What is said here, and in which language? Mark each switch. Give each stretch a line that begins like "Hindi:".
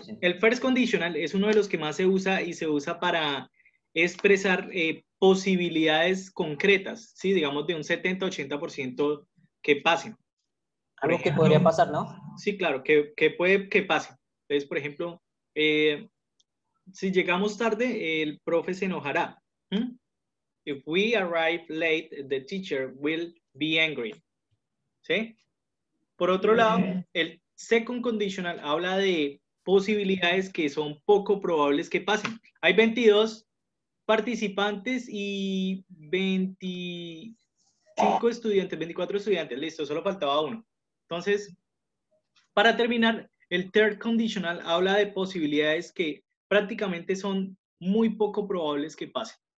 Spanish: El first conditional es uno de los que más se usa y se usa para expresar posibilidades concretas, ¿sí? Digamos de un 70-80% que pasen. Algo que podría pasar, ¿no? Sí, claro, que puede que pase. Entonces, por ejemplo, si llegamos tarde, el profe se enojará.
English: If we arrive late, the teacher will be angry.
Spanish: ¿Sí? Por otro lado, el second conditional habla de posibilidades que son poco probables que pasen. Hay 22 participantes y 25 estudiantes, 24 estudiantes. Listo, solo faltaba uno. Entonces, para terminar, el third conditional habla de posibilidades que prácticamente son muy poco probables que pasen.